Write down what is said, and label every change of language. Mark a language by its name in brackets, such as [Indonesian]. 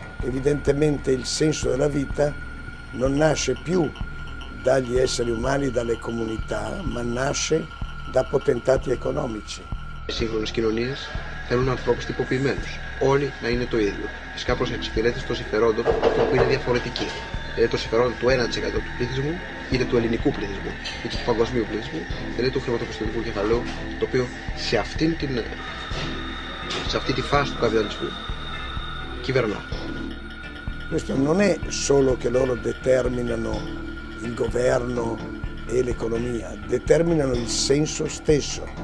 [Italian] Evidentemente il senso della vita non nasce più dagli esseri umani, dalle comunità, ma nasce da potentati economici. [Greek] Οι σύγχρονες κοινωνίες θέλουν ανθρώπους τυποποιημένους, όλοι να είναι το ίδιο. Φυσικά προς εξυπηρέτηση των συμφερόντων που είναι διαφορετικοί. Είναι το συμφερόντο του 1% του πληθυσμού, είτε του ελληνικού πληθυσμού, είτε του παγκοσμίου πληθυσμού, είτε του χρηματοπιστωτικού κεφαλαίου, το οποίο σε αυτή τη φάση του καπιταλισμού κυβερνά. [Italian] Questo non è solo che loro determinano il governo e l'economia, determinano il senso stesso.